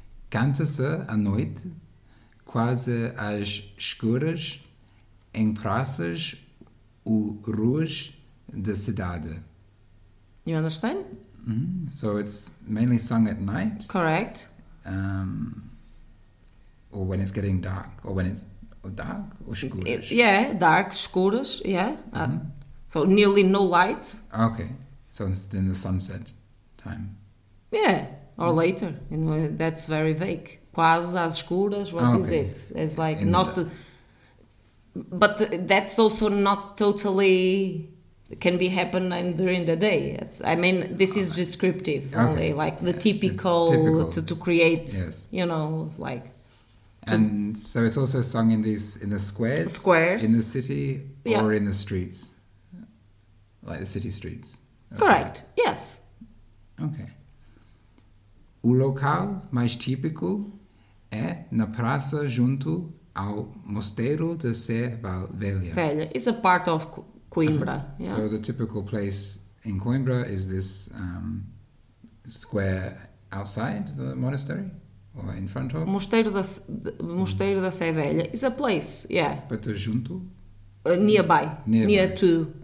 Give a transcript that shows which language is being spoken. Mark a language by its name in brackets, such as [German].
[Portuguese] Canta-se à noite, quase às escuras, em praças ou ruas da cidade. [English] You understand? Mm-hmm. So, it's mainly sung at night. Correct. Or when it's getting dark, or when it's dark or escuras. Yeah, dark, escuras, yeah. Mm-hmm. So, nearly no light. Okay. So it's in the sunset time. Yeah, or later. You know, that's very vague. [Portuguese] Quase às escuras, [English] what is it? It's like in not... But that's also not totally... Can be happening during the day. It's, I mean, this is descriptive only. Okay. Like the typical. To create, you know, like... And so it's also sung in these in the squares? Squares. In the city or in the streets? Like the city streets? That's correct. Right. Yes. Okay. [Portuguese] O local mais típico é na praça junto ao Mosteiro de Sé Velha. [English] Velha. It's a part of Coimbra. Uh-huh. Yeah. So the typical place in Coimbra is this square outside the monastery or in front of? Mosteiro da Sé Velha is a place, yeah. But junto? Nearby. Nearby. Near to.